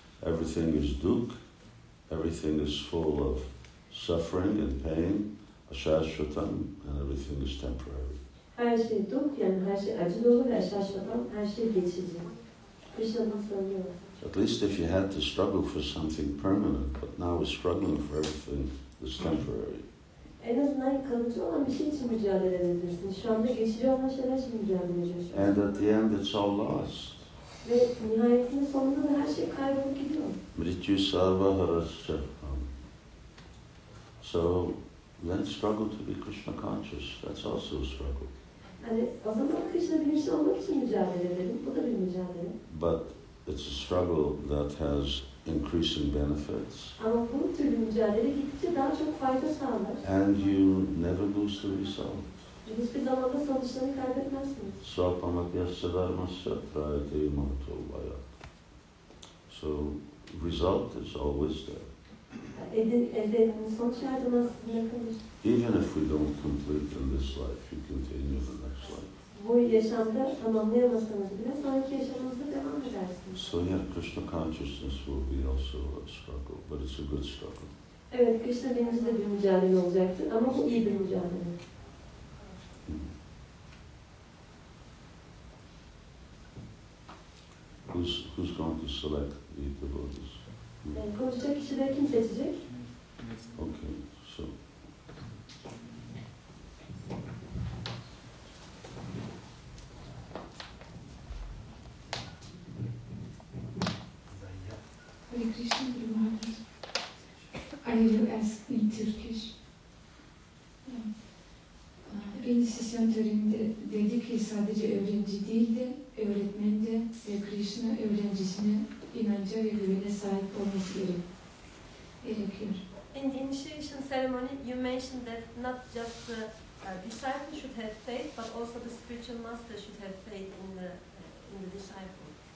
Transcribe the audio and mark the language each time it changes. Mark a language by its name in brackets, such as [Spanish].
[English] Everything is duk, everything is full of suffering and pain, ashashvatam, and everything is temporary. [Turkish] Her şey duk, yani her şey acı dolu ve ashashvatam, her şey geçici. [English] At least if you had to struggle for something permanent, but now we're struggling for everything that's temporary. [Turkish] En azından kalıcı olan bir şey için mücadele edebilirsin. Şu anda geçici olan şeyler için mücadele edeceksin. [English] And at the end it's all lost. [Turkish] Ve nihayetinde sonunda da her şey kaybolup gidiyor. [Sanskrit] Mritju sarva harasya. [English] So then struggle to be Krishna conscious. That's also a struggle. [Turkish] Yani o zaman Krishna bilinçli olmak için mücadele edelim. Bu da bir mücadele. [English] But it's a struggle that has increasing benefits. [Turkish] Ama bu türlü mücadele gittikçe daha çok fayda sağlar. [English] And you never lose the result. [Turkish] Hiçbir zamanda sonuçlarını kaybetmezsiniz. [Sanskrit] So pamatyasya dharmasya prayate mahato vayat. [English] So result is always there. Even if we don't complete in this life, you continue in the next life. So yeah, Krishna consciousness will be also a struggle, but it's a good struggle. [Turkish] Evet, Krishna bilincinde bir mücadele olacaktır, ama bu iyi bir mücadele. [English] Who's going to select the devotees? [Turkish] Konuşacak kişileri kim seçecek? [English] Okay, so. Hare Krishna, Guru Maharaj. I will ask in Turkish. [Turkish] Birinci sesyon töreninde dedi ki sadece öğrenci değil de öğretmen de Krishna öğrencisine inanca ve güvene sahip olması gerekiyor. [English] In the initiation ceremony, you mentioned that not just the disciple should have faith, but also the spiritual master should have faith in the disciple.